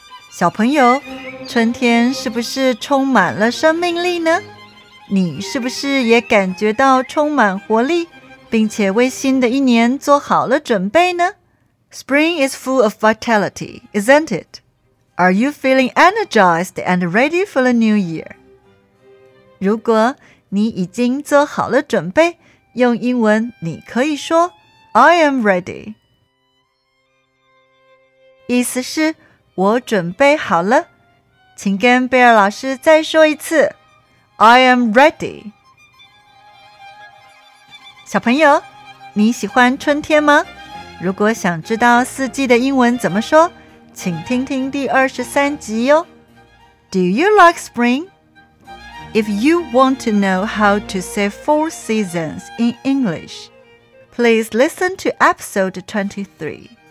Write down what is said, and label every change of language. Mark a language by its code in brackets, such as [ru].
[zh] 小朋友，春天是不是充满了生命力呢？你是不是也感觉到充满活力，并且为新的一年做好了准备呢？ [en] Spring is full of vitality, isn't it? Are you feeling energized and ready for the new year? [zh] 如果你已经做好了准备，用英文你可以说 [en] I am ready. [zh] 意思是我准备好了，请跟贝尔老师再说一次 [en] I am ready. [zh] 小朋友，你喜欢春天吗？如果想知道四季的英文怎么说，请听听第23集哦。 [en] Do you like spring? If you want to know how to say four seasons in English, please listen to episode 23.